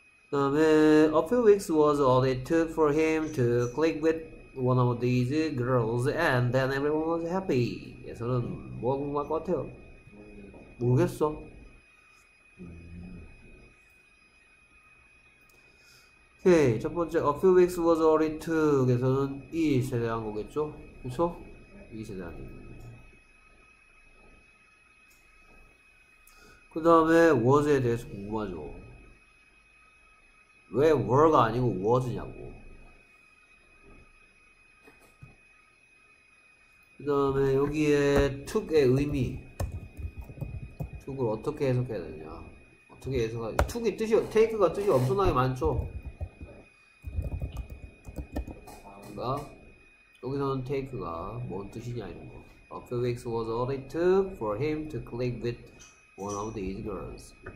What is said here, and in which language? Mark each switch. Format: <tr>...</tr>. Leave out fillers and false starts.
<ko>그 다음에</ko> <en>a few weeks was all it took for him to click with one of these girls and then everyone was happy.</en> <ko>그래서는 뭐가 궁금할 것 같아요? 모르겠어. 오케이, 첫 번째</ko> <en>a few weeks was all it took</en> <ko>에서는 it에 대한 거겠죠? 그쵸? it에 대한 거. 그 다음에 was에 대해서 궁금하죠. 왜 were가 아니고 was냐고. 그 다음에 여기에 took의 의미. took을 어떻게 해석해야 되냐. 어떻게 해석하 took이 뜻이, take가 뜻이 엄청나게 많죠. 그러니까 여기서는 take가 뭔 뜻이냐 이런 거.</ko> <en>A few weeks was all it took for him to click with one of these girls.</en>